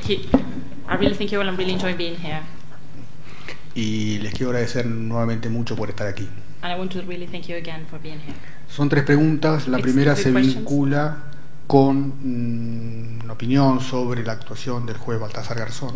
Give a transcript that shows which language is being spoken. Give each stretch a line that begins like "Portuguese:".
English: I really thank you all. I'm really enjoying being here.
Spanish: Y les quiero agradecer nuevamente mucho por estar aquí.
English: And I want to really thank you again for being here.
Spanish: Son tres preguntas. La primera se vincula con una opinión sobre la actuación del juez Baltasar Garzón.